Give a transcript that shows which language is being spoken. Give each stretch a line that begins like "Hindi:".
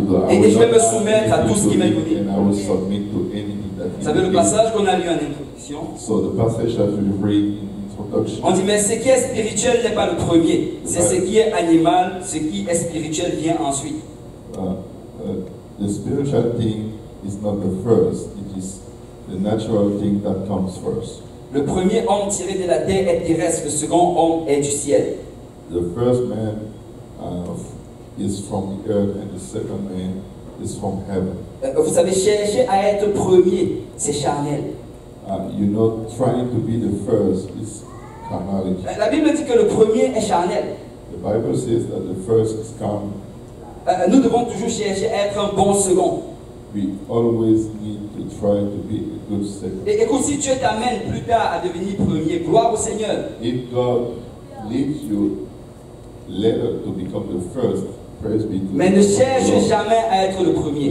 French: Et je vais me soumettre à tout ce qu'il m'a donné.
English: I will submit to anything that.
French: Vous savez le passage qu'on a lu en introduction.
English: So the passage that we read.
French: On dit, mais ce qui est spirituel n'est pas le premier. C'est ce qui est animal, ce qui est spirituel vient ensuite.
English: The spiritual thing is not the first, it is the natural thing that comes first.
French: Le premier homme tiré de la terre est terrestre, le second homme est du ciel.
English: The first man is from the earth and the second man is from heaven.
French: Vous savez, chercher à être premier, c'est charnel.
English: You're not trying to be the first, it's carnality.
French: La Bible dit que le premier est charnel.
English: The Bible says that the first is carnal.
French: Nous devons toujours chercher à être un bon second.
English: We always need to try to be a good second.
French: Et écoute, si Dieu t'amène plus tard à devenir premier, gloire au Seigneur.
English: If God leads you later to become the first, praise be to God.
French: Mais ne cherche jamais à être le premier.